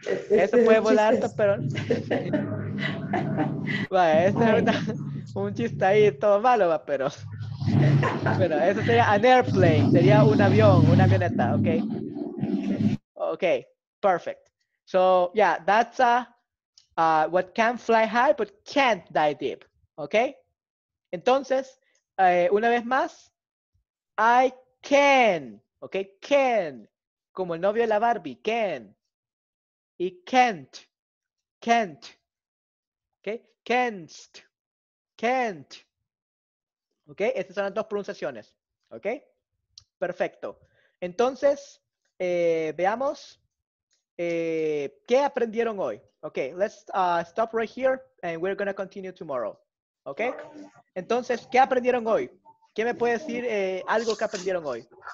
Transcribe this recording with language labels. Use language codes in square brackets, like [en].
[es] Eso puede volar alto, pero... Vale, eso es un chiste ahí, todo malo, pero... Bueno, eso sería [en] an airplane, [es] sería un avión, una avioneta, ok. [en] Ok, perfect. So, yeah, that's what can fly high but can't dive deep, ok. [es] Entonces, una vez más, [en] I can, [es] ok, can, como el novio de la Barbie, can. Y can't, ok, canst, can't. ¿Ok? Estas son las dos pronunciaciones. ¿Ok? Perfecto. Entonces, veamos qué aprendieron hoy. [en] Ok, let's stop right here and we're going to continue tomorrow. [es] ¿Ok? Entonces, ¿qué aprendieron hoy? ¿Qué me puede decir algo que aprendieron hoy?